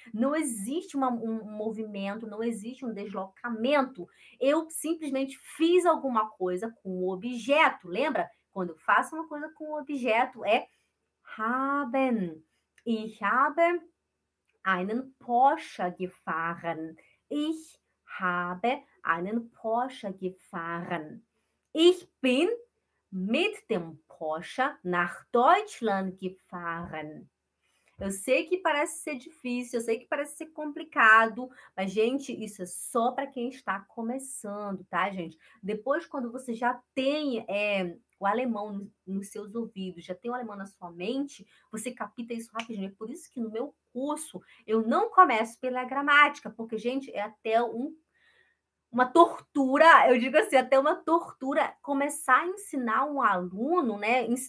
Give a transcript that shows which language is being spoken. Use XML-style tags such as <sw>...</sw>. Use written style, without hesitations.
<pt>Não existe um movimento, não existe um deslocamento. Eu simplesmente fiz alguma coisa com o objeto. Lembra? Quando eu faço uma coisa com o objeto, é haben.</pt> <de>Ich habe einen Porsche gefahren. Ich habe einen Porsche gefahren. Ich bin mit dem Porsche nach Deutschland gefahren.</de> <pt>Eu sei que parece ser difícil, eu sei que parece ser complicado, mas, gente, isso é só para quem está começando, tá, gente? Depois, quando você já tem o alemão nos seus ouvidos, já tem o alemão na sua mente, você capta isso rapidinho. É por isso que no meu curso eu não começo pela gramática, porque, gente, é até uma tortura, eu digo assim, até uma tortura começar a ensinar um aluno, né?</pt>